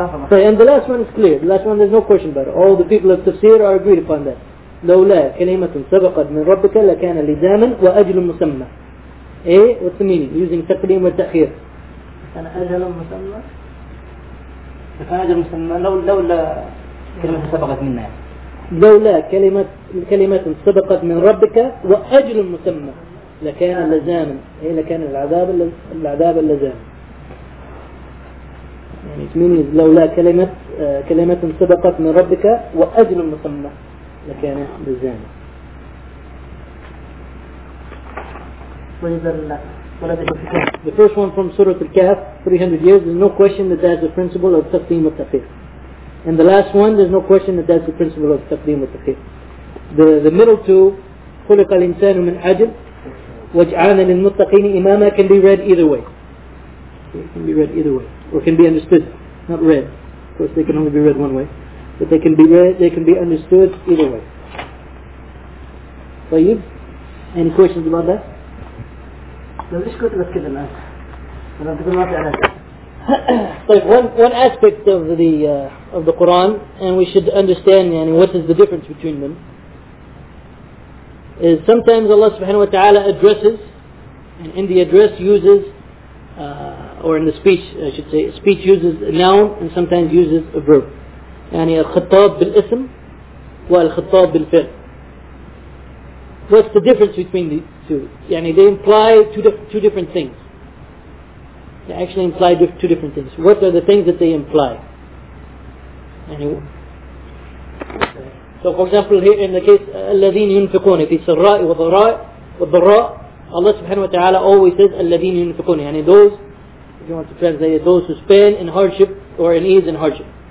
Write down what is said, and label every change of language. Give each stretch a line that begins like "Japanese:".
English: And the last one is clear, the last one there's no question about it. All the people of tafsir are agreed upon that.
Arabic: لولا كلمة سبقت من ربك لكان لزاما وأجل مسمى.
English: Eh? What's the meaning? Using تقديم وتأخير.
Arabic: كان أجل مسمى. كان أجل مسمى. لولا كلمة سبقت منا. لولا كلمة سبقت من ربك وأجل مسمى لكان لزاما. Eh? لكان العذاب اللزام. يعني
English: it means
Arabic: لولا كلمة سبقت من ربك وأجل مسمى. لكان بالزانة
English: The first one from Surah Al-Kahf 300 years, there's no question that that's the principle of Taqdeem wa Ta'khir. And the last one, there's no question that that's the principle of Taqdeem wa Ta'khir. The middle two,
Arabic: خُلِقَ الْإِنسَانُ مِنْ عَجِلْ وَاجْعَانَ لِلْمُتَّقِينِ إِمَامًا,
English: can be read either way. It can be read either way. Or can be understood, not read. Of course, they can only be read one way. But they can be read, they can be understood either way. طيب, any questions about that?
Arabic: لو ليش كنت بتكلم أنا؟ أنا بقول ما في أنا.
English: طيب, one aspect of the Quran, and we should understand, يعني, what is the difference between them? Is sometimes Allah Subhanahu wa Taala addresses, and in the address uses, or in the speech, I should say, speech uses a noun, and sometimes uses a verb.
Arabic: يعني الخطاب بالاسم والخطاب بالفعل.
English: What's the difference between the two? يعني they imply two different things. They actually imply two different things. What are the things that they imply? يعني so for example here in the case
Arabic: الذين ينفقون في سراء وضراء
English: Allah subhanahu wa ta'ala always says
Arabic: الذين ينفقون
English: يعني those if you want to translate it those who spend in hardship or in ease and hardship.